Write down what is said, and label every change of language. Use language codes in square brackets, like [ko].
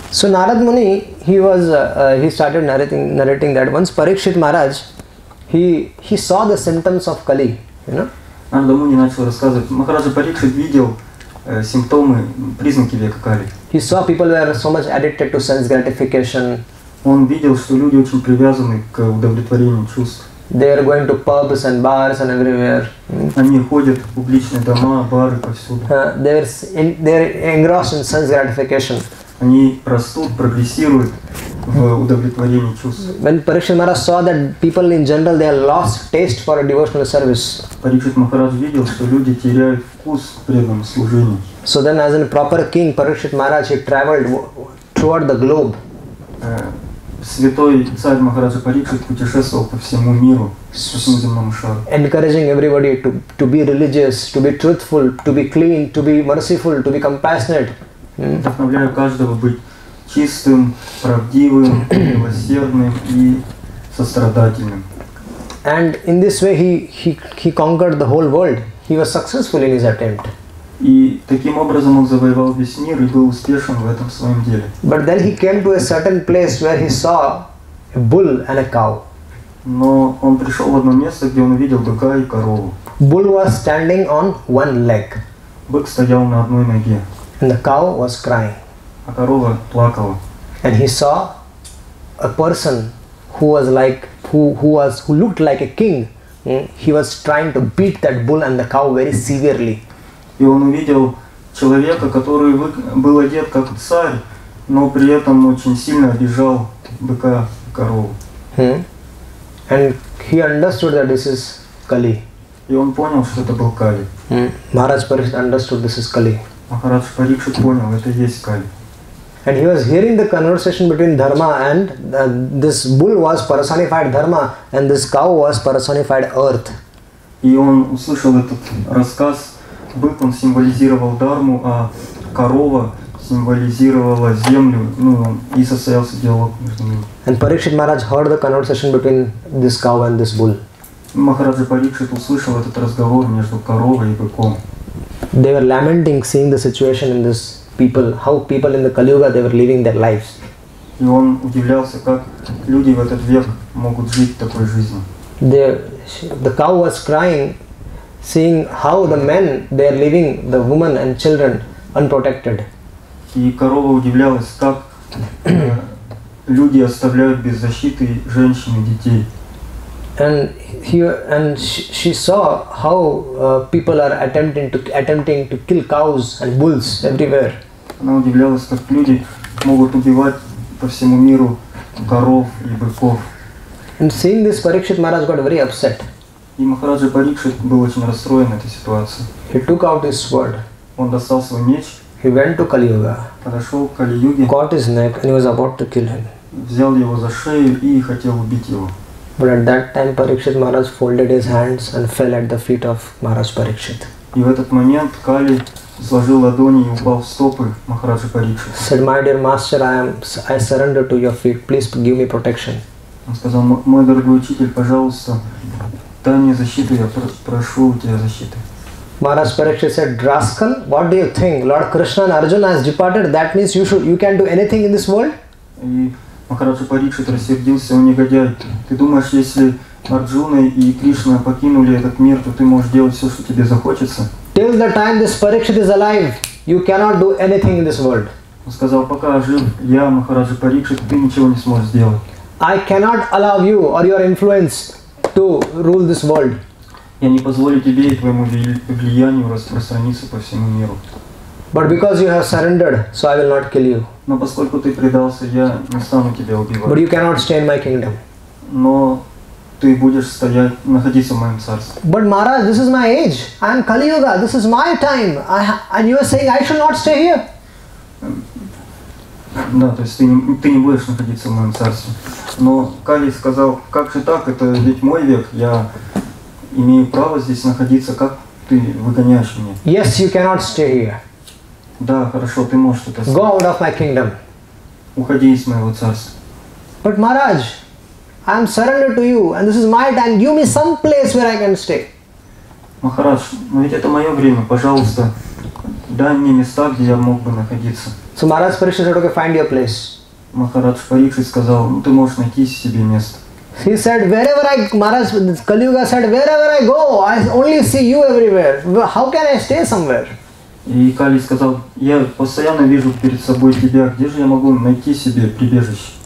[en] So Narada Muni he started narrating that once Parikshit Maharaj he saw the symptoms of Kali, you know. [ru] Narada Muni начал рассказывать, Махараджа Парикшит видел симптомы, признаки века Кали. [en] He saw people were so much addicted to sense gratification. [ru] Он видел, что люди очень привязаны к удовлетворению чувств. [en] They are going to pubs and bars and everywhere. [ru] Они ходят в публичные дома, бары повсюду. [en] They are engrossed in sense gratification. [ru] Они растут, прогрессируют в удовлетворении чувств. [en] When Parikshit Maharaj saw that people in general they have lost taste for a devotional service. [ru] Parikshit Maharaj видел, что люди теряют вкус преданному служению. [en] So then, as a proper king, Parikshit Maharaj traveled throughout the globe. [ru] Святой царь Махараджа Парикшит путешествовал по всему миру, по всему земному шару. [en] Encouraging everybody to be religious, to be truthful, to be clean, to be merciful, to be compassionate. [ru] Вдохновляю каждого быть чистым, правдивым, милосердным и сострадательным. [en] And in this way he conquered the whole world. He was successful in his attempt. [ru] И таким образом он завоевал весь мир и был успешен в этом своем деле. [en] But then he came to a certain place where he saw a bull and a cow. [ru] Но он пришел в одно место, где он увидел быка и корову. [en] Bull was standing on one leg. [ru] Бык стоял на одной ноге. [en] And the cow was crying. [ru] А корова плакала. [en] And he saw a person who looked like a king. He was trying to beat that bull and the cow very severely. [ru] И он увидел человека, который был одет как царь, но при этом очень сильно обижал быка и корову. [en] And he understood that this is Kali. [ru] И он понял, что это был Кали. [en] Maharaj Parikshit understood this is Kali. [ru] Maharaj Parikshit понял, это есть Кали. [en] And he was hearing the conversation between Dharma and this bull was personified Dharma and this cow was personified Earth. [ru] И он услышал этот рассказ. Бык, он символизировал дарму, а корова символизировала землю, ну, и состоялся диалог между ними. [en] And Parikshit Maharaj heard the conversation between this cow and this bull. [ru] Maharaj Parikshit услышал этот разговор между коровой и быком. [en] They were lamenting seeing the situation in this people, how people in the Kali Yuga, they were living their lives. [ru] И он удивлялся, как люди в этот век могут жить такой жизнью. [en] The cow was crying, seeing how the men, they are leaving the women and children unprotected. [ru] И корова удивлялась, как люди оставляют без защиты женщин и детей. [en] And she saw how people are attempting to kill cows and bulls everywhere. [ru] Она удивлялась, как люди могут убивать по всему миру коров и быков. [en] And seeing this, Parikshit Maharaj got very upset. [ru] И Махараджа Парикшит был очень расстроен этой ситуацией. [en] He took out his sword. [ru] Он достал свой меч. [en] He went to Kali Yuga. [ru] Подошел к Кали Юге. [en] Caught his neck and he was about to kill him. [ru] Взял его за шею и хотел убить его. [en] But at that time Parikshit Maharaj folded his hands and fell at the feet of Maharaj Parikshit. [ru] И в этот момент Кали сложил ладони и упал в стопы Махараджа Парикшит. [en] Said, my dear master, I surrender to your feet. Please give me protection. [ru] Он сказал, мой дорогой учитель, пожалуйста, дай мне защиту, я прошу у тебя защиты. [en] Maharaj Parikshit said, rascal, what do you think? Lord Krishna and Arjuna has departed, that means you can do anything in this world? [ru] И Махараджа Парикшит рассердился, он негодяй. Ты думаешь, если Арджуна и Кришна покинули этот мир, то ты можешь делать все, что тебе захочется? [en] Till the time this Parikshit is alive, you cannot do anything in this world. [ru] Он сказал, пока жив я, Махараджа Парикшит, ты ничего не сможешь сделать. [en] I cannot allow you or your influence to rule this world. [ru] Я не позволю тебе и твоему влиянию распространиться по всему миру. [en] But because you have surrendered, so I will not kill you. [ru] Но поскольку ты предался, я не стану тебя убивать. [en] But you cannot stay in my kingdom. [ru] Но ты будешь стоять, находиться в моем царстве. [en] But Maharaj, this is my age. I am Kali Yuga. This is my time. And you are saying I should not stay here. [ru] Да, то есть ты не будешь находиться в моем царстве. Но Кали сказал, как же так, это ведь мой век, я имею право здесь находиться, как ты выгоняешь меня? [en] Yes, you cannot stay here. [ru] Да, хорошо, ты можешь это сказать. [en] Go out of my kingdom. [ru] Уходи из моего царства. [en] But Maharaj, I am surrendered to you and this is my time, give me some place where I can stay. [ru] Махарадж, но ведь это мое время, пожалуйста, дай мне места, где я мог бы находиться. [en] So Maharaj Parikshit said, okay, find your place. [ru] Махарадж Парикшит сказал, ну ты можешь найти себе место. [en] He said, Kali Yuga said, wherever I go, I only see you everywhere. How can I stay somewhere? [ru] И Кали сказал, я постоянно вижу перед собой тебя, где же я могу найти себе прибежище?